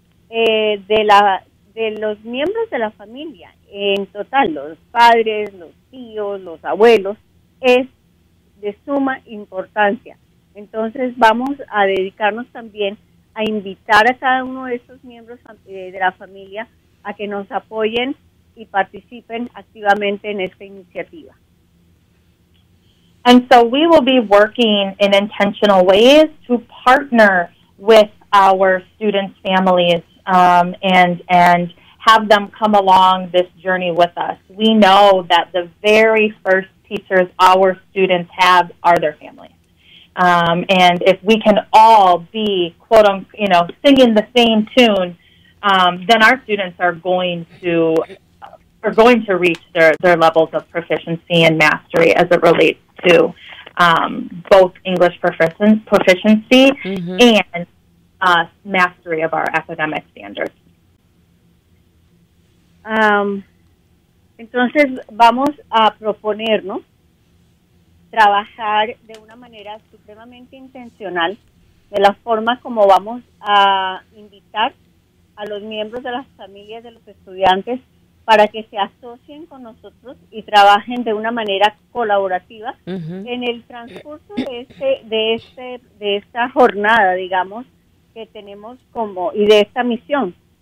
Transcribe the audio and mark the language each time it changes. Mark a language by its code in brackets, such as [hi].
[es] de los miembros de la familia, en total, los padres, los tíos, los abuelos, es de suma importancia. Entonces vamos a dedicarnos también a invitar a cada uno de esos miembros de la familia a que nos apoyen y participen activamente en esta iniciativa. [en] And so we will be working in intentional ways to partner with our students' families and have them come along this journey with us. We know that the very first teachers our students have are their families. And if we can all be, quote unquote, you know, singing the same tune, then our students are going to reach their levels of proficiency and mastery as it relates to both English proficiency, mm-hmm, and mastery of our academic standards. [es] Entonces vamos a proponer, ¿no?, trabajar de una manera supremamente intencional de la forma como vamos a invitar a los miembros de las familias de los estudiantes para que se asocien con nosotros y trabajen de una manera colaborativa, uh-huh, en el transcurso de esta jornada, digamos, que tenemos como y de esta misión.